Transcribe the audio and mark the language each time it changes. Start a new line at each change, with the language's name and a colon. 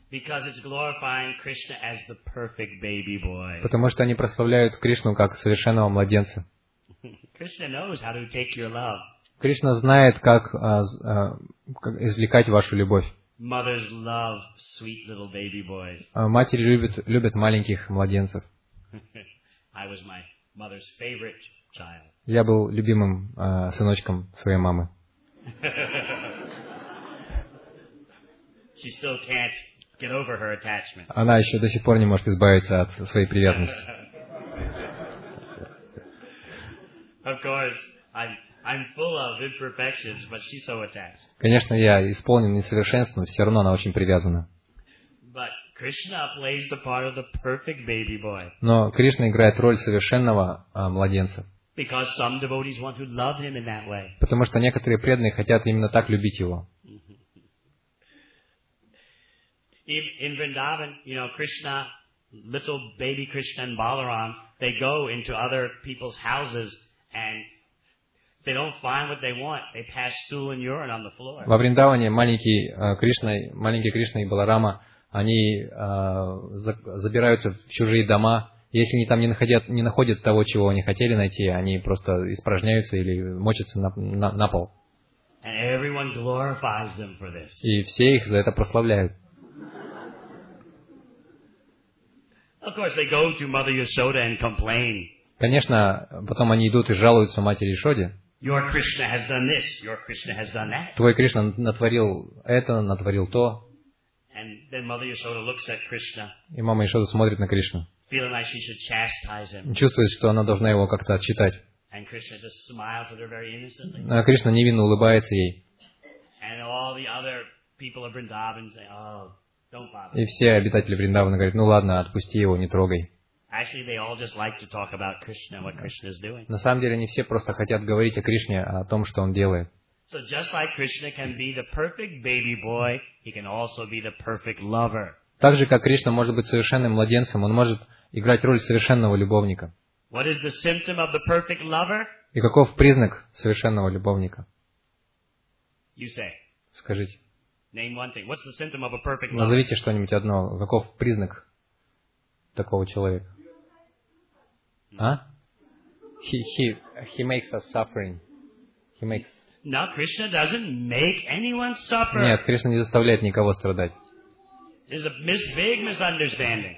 English: Because it's glorifying Krishna as the perfect baby boy.
Russian: Потому что они прославляют Кришну как совершенного младенца.
English: Krishna knows how to take your love.
Russian: Кришна знает, как извлекать вашу любовь.
English: Mothers love sweet little baby boys.
Russian: Матери любят маленьких младенцев.
English: I was my mother's favorite child.
Russian: Я был любимым сыночком своей мамы.
English: She still can't get over her attachment.
Russian: Она еще до сих пор не может избавиться от своей привязанности.
English: Of course, I'm full of imperfections, but she's so attached.
Russian: Конечно, я исполнен несовершенств, но все равно она очень привязана.
English: But Krishna plays the part of the perfect baby boy.
Russian: Но Кришна играет роль совершенного младенца.
English: Because some devotees want to love him in that way.
Russian: Потому что некоторые преданные хотят именно так любить его.
English: In Vrindavan, you know, Krishna little baby Krishna and Balaram, they go into other people's houses and if they don't find what they want, they pass stool and urine on the floor.
Russian: Во Вриндаване маленький Кришна и Баларама, они забираются в чужие дома. Если они там не находят того, чего они хотели найти, они просто испражняются или мочатся на пол.
English: And everyone glorifies them for this.
Russian: И все их за это прославляют.
English: Of course, they go to Mother Yashoda and complain.
Russian: Конечно, потом они идут и жалуются матери Ешоде.
English: Your Krishna has done this, your Krishna has done that.
Russian: Твой Кришна натворил это, натворил то.
English: And then Mother Yashoda looks at Krishna.
Russian: И мама Ешода смотрит на Кришну.
English: Feeling like she should chastise him.
Russian: Чувствует, что она должна его как-то отчитать.
English: And Krishna just smiles at her very innocently.
Russian: А Кришна невинно улыбается ей.
English: And all the other people of Vrindavan say, "Oh, don't bother."
Russian: И все обитатели Вриндавана говорят: "Ну ладно, отпусти его, не трогай."
English: Actually, they all just like to talk about Krishna, what Krishna is doing.
Russian: На самом деле, они все просто хотят говорить о Кришне, о том, что он делает.
English: So just like Krishna can be the perfect baby boy, he can also be the perfect lover.
Russian: Так же, как Кришна может быть совершенным младенцем, он может играть роль совершенного любовника.
English: What is the symptom of the perfect lover?
Russian: И каков признак совершенного любовника?
English: You say.
Russian: Скажите.
English: Name one thing. What's the symptom of a perfect lover?
Russian: Назовите что-нибудь одно. Каков признак такого человека?
English: А? He makes us suffering. He makes... No, Krishna doesn't make anyone suffer.
Russian: Нет, Кришна не заставляет никого страдать.
English: There's a big misunderstanding.